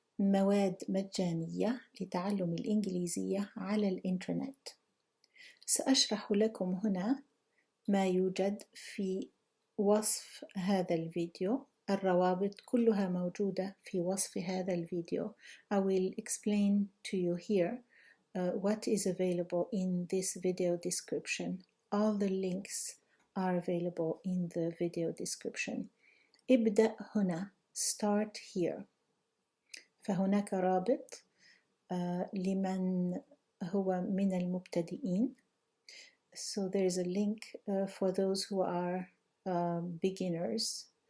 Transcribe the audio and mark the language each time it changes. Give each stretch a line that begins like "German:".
Arabic: مواد مجانية لتعلم الإنجليزية على الإنترنت. سأشرح لكم هنا ما يوجد في وصف هذا الفيديو. الروابط كلها موجودة في وصف هذا الفيديو.
English: I will explain to you here what is available in this video description. All the links are available in the video description.
Arabic: ابدأ هنا.
English: Start here.
Arabic: فهناك رابط لمن هو من المبتدئين.
English: So there is a link for those who are beginners.